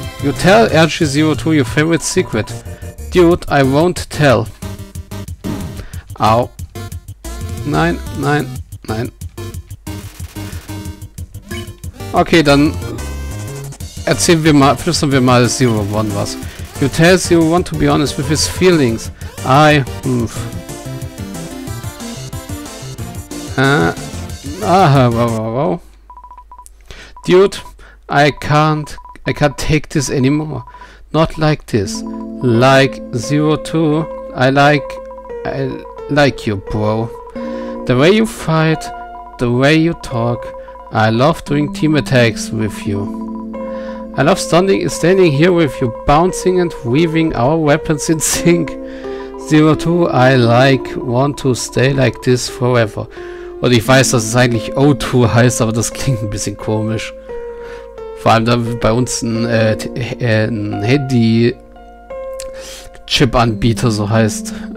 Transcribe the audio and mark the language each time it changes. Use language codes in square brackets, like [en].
[en] You tell RG-02 your favorite secret. Dude, I won't tell. Au. [de] Nein, nein, nein. Okay, dann erzählen wir mal, flüstern wir mal 01 was. [en] You tell 01 to be honest with his feelings. I. Oof. Wow. Dude, I can't take this anymore. Not like this. Like 02, I like you, bro. The way you fight, the way you talk, I love doing team attacks with you. I love standing here with you, bouncing and weaving our weapons in sync. 02, I want to stay like this forever. [de] Und ich weiß, dass es eigentlich O2 heißt, aber das klingt ein bisschen komisch. Vor allem, da wir bei uns ein Handy-Chip-Anbieter so heißt.